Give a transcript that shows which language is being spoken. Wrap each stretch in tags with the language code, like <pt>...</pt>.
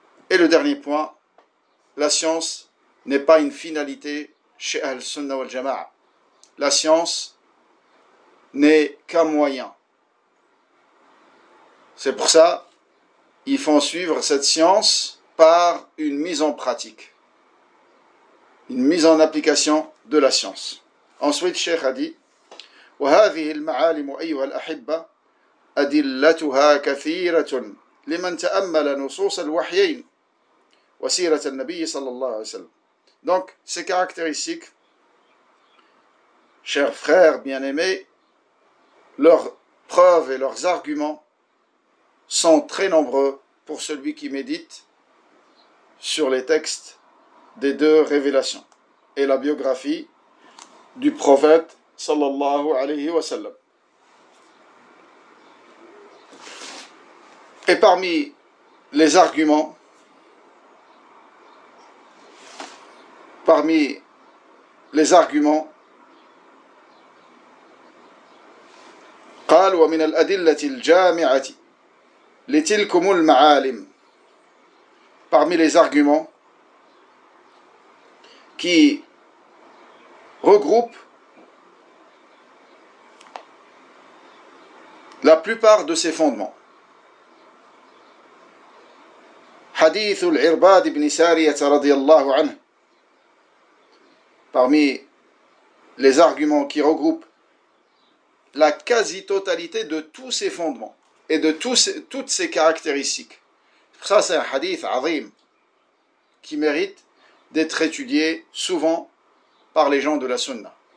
<fr>Et le dernier point, la science n'est pas une finalité chez Al-Sunna wal-Jama'a. La science n'est qu'un moyen. C'est pour ça qu'ils font suivre cette science par une mise en pratique, une mise en application de la science. Ensuite, Cheikh a dit «</fr> <ar>وَهَذِهِ الْمَعَالِمُ أَيُّهَا الْأَحِبَّةِ أدلتها كثيرة لمن تأمل نصوص الوحيين وسيرة النبي صلى الله عليه وسلم.</ar> <fr>Donc, ces caractéristiques, chers frères bien-aimés, leurs preuves et leurs arguments sont très nombreux pour celui qui médite sur les textes des deux révélations et la biographie du prophète</fr> <ar>صلى الله عليه وسلم.</ar> <fr>Et parmi les arguments,</fr> <ar>قال ومن الأدلة الجامعة لتلكم المعالم.</ar> <fr>Parmi les arguments qui regroupent la plupart de ces fondements.</fr> <ar>حديث العرباد بن سارية رضي الله عنه</ar> <fr>parmi les arguments qui regroupent la quasi-totalité de tous ses fondements et de toutes ses caractéristiques. Ça, c'est un hadith azim qui mérite d'être étudié souvent par les gens de la sunna.</fr>